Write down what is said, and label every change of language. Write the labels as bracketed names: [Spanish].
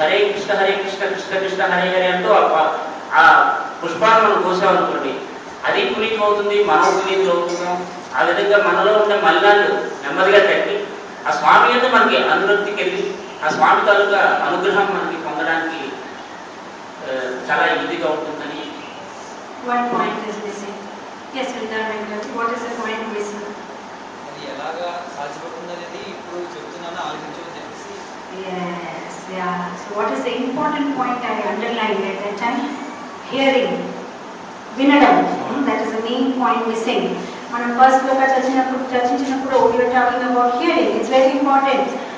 [Telugu] హరే కృష్ణ కృష్ణ కృష్ణ హరే హరే అంటూ ఆ పుష్పాలను మనం కోసాం అనుకోండి, అది పునీతం అవుతుంది, మనం పునీతం అవుతున్నాం. ఆ విధంగా మనలో ఉండే మల్లాలు నెమ్మదిగా తగ్గి ఆ స్వామి యొక్క మనకి అనురక్తి కలిగి ఆ స్వామి తాలూకా అనుగ్రహం మనకి పొందడానికి చాలా ఈజీగా ఉంటుందని. [English] One point is missing. Yes, what is the point missing? [Telugu] అది ఎలాగా సాధ్యపడుతుంది అనేది ఇప్పుడు చెప్తున్నానని ఆలోచించడం జరిగింది. [English] Yes, yeah. So what is the important point I underlined at that time? Hearing. Vinadam. That is the main point missing. [Telugu] మనం first లో చర్చించినప్పుడు [English] it's very important